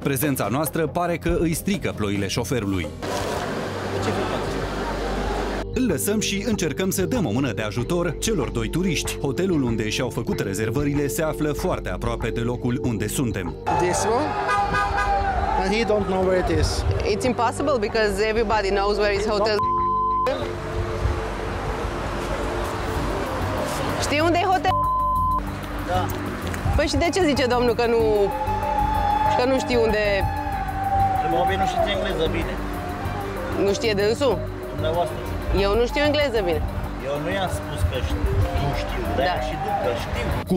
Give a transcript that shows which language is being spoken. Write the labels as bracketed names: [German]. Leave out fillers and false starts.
[Romanian] Prezența noastră pare că îi strică ploile șoferului. Ce faci? Îl lăsăm și încercăm să dăm o mână de ajutor celor doi turiști. Hotelul unde și-au făcut rezervările se află foarte aproape de locul unde suntem. [English] This one? And he don't know where it is. It's impossible because everybody knows where his hotel is. [Romanian] Știi unde e hotel? Da. Păi și de ce zice domnul că nu... că nu știu unde... Probabil nu știe engleză bine. Nu știe dânsul? Dumneavoastră. Eu nu știu engleză bine. Eu nu i-am spus că nu știu, dar da. Și după știu.